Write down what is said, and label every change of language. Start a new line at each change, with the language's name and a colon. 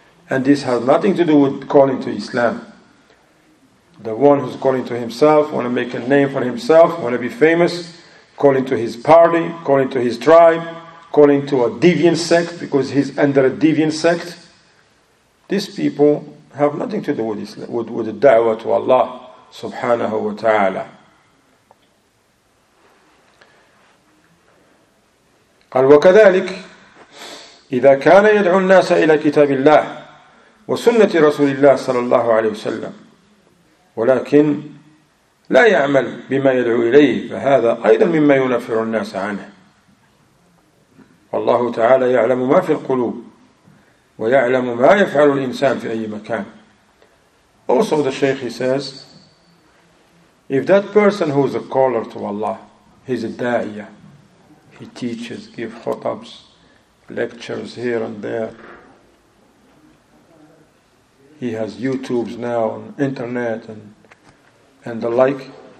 English: And this has nothing to do with calling to Islam. The one who's calling to himself, want to make a name for himself, want to be famous, calling to his party, calling to his tribe, calling to a deviant sect, because he's under a deviant sect. These people have nothing to do with Islam, with the da'wah to Allah subhanahu wa ta'ala.
Arabic: قال وكذلك إذا كان يدعو الناس إلى كتاب الله وسنة رسول الله صلى الله عليه وسلم ولكن لا يعمل بما يدعو إليه فهذا أيضا مما ينفر الناس عنه والله تعالى يعلم ما في القلوب ويعلم ما يفعل الإنسان في أي مكان.
English: Also the Shaykh, he says, if that person who is a caller to Allah, he's a da'iyah, he teaches, give khutabs, lectures here and there. He has YouTubes now on internet and the like.